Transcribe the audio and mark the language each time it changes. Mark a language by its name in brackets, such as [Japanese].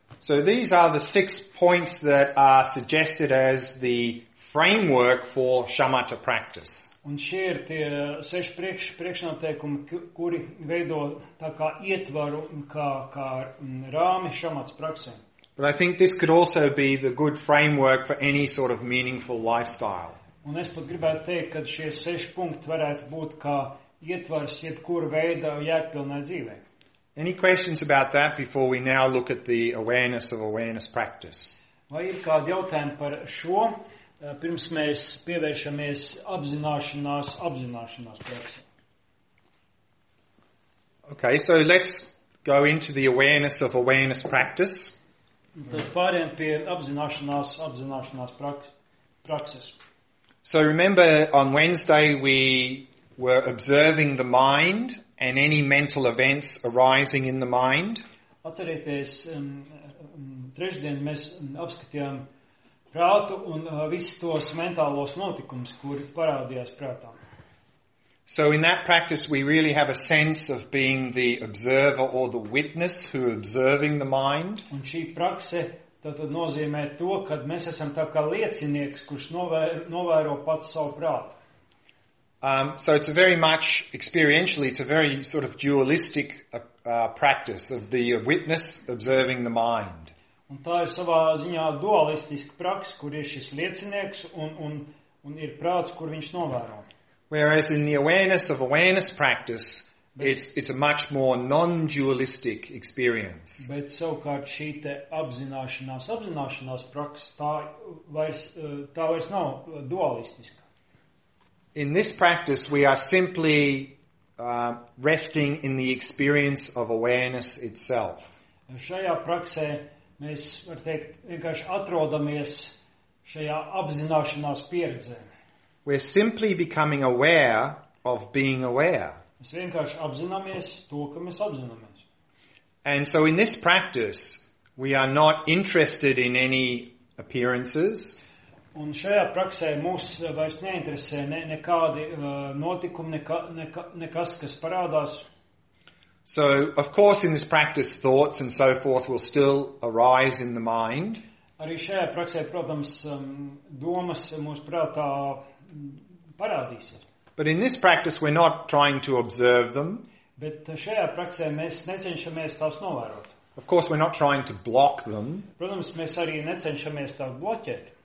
[English] So these are the six points that are suggested as the framework for shamatha practice. [Latvian] Un šie ir tie seši priekšnoteikumi, kuri veido tā kā ietvaru, kā rāmi šamatas praksē. [English] But I think this could also be the good framework for any sort of meaningful lifestyle. [Latvian] Un es pat gribētu teikt, ka šie seši punkti varētu būt kā ietvars jebkura veida jēgpilnā dzīvē. [English] Any questions about that before we now look at the awareness of awareness practice? [Latvian] Vai ir kādi jautājumi par šo, pirms mēs pievēršamies apzināšanās praksē? [English] Okay, so let's go into the awareness of awareness practice. [Latvian] Tad pāriem pie apzināšanās prakses. [English] So remember on Wednesday we were observing the mind and any mental events arising in the mind. [Latvian] Atcerieties, trešdien mēs apskatījām prātu un visus tos mentālos notikumus, kuri parādījās prātā. [English] So in that practice we really have a sense of being the observer or the witness who is observing the mind. [Latvian] Un šī prakse tad nozīmē to, kad mēs esam tā kā liecinieks, kurš novēro pats savu prātu. [English] So it's a very much experientially, it's a very sort of dualistic practice of the witness observing the mind. [Latvian] Un tā ir savā ziņā dualistiska praksa, kur ir šis liecinieks un ir prāts, kur viņš novēro. [English] Whereas in the awareness of awareness practice, it's a much more non-dualistic experience. [Latvian] Bet savukārt šī te apzināšanās praksa, tā vairs nav dualistiska. [English] In this practice, we are simply resting in the experience of awareness itself. [Latvian] Šajā praksē mēs, var teikt, vienkārši atrodamies šajā apzināšanās pieredzē. [English] We're simply becoming aware of being aware. [Latvian] Mēs vienkārši apzināmies to, ka mēs apzināmies. [English] And so in this practice, we are not interested in any appearances. [Latvian] Un šajā praksē mūs vairs neinteresē nekādi notikumi, nekas, kas parādās. [English] So, of course, in this practice, thoughts and so forth will still arise in the mind. [Latvian] Arī šajā praksē, protams, domas mūs prātā parādīsies. [English] But in this practice, we're not trying to observe them. [Latvian] Bet šajā praksē mēs necenšamies tās novērot. [English] Of course, we're not trying to block them. [Latvian] Protams, mēs arī necenšamies tā bloķēt.